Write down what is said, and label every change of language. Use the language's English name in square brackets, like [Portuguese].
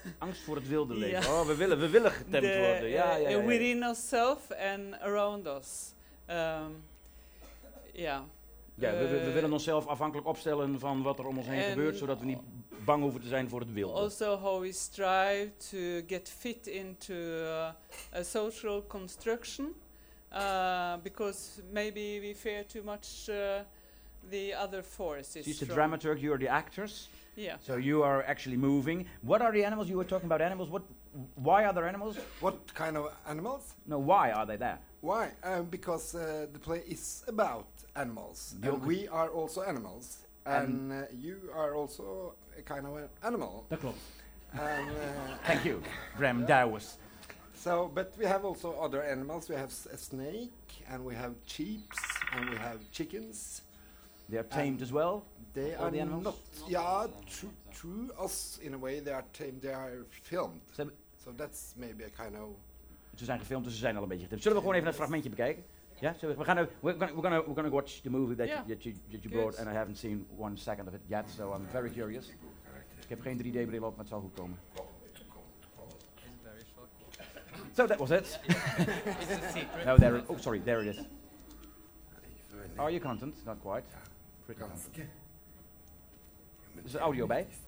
[Dutch] Angst voor het wilde leven. Yeah. Oh, we willen getemd worden. Ja, ja, ja, ja. [English] Within ourselves and around us. [Dutch] Ja, we willen onszelf afhankelijk opstellen van wat er om ons heen gebeurt, zodat we niet bang hoeven te zijn voor het wilde. [English] Also how we strive to get fit into a social construction, because maybe we fear too much the other forces. She's the dramaturg, you are the actors. Yeah. So you are actually moving. What are the animals? You were talking about animals. Why are there animals? What kind of animals? No, why are they there? Why? Because the play is about animals. And we are also animals. And you are also a kind of an animal. That's cool. And thank you, Rem Dawes. So, but we have also other animals. We have a snake, and we have sheep, and we have chickens. They are tamed as well? They all are the animals? Not. Yeah, through us, in a way, they are tamed. They are filmed. So that's maybe a kind of... [Dutch] Ze zijn gefilmd, dus ze zijn al een beetje getimd. Zullen we gewoon even het fragmentje bekijken? Ja, yeah? [English] So we're gonna watch the movie that you brought, and I haven't seen one second of it yet, so I'm very curious. [Dutch] Ik heb geen 3D bril op, maar het zal goed komen. [English] So that was it. It's a secret. No, oh, sorry, there it is. Are you content? Not quite. Pretty content. [Dutch] Is er audio bij?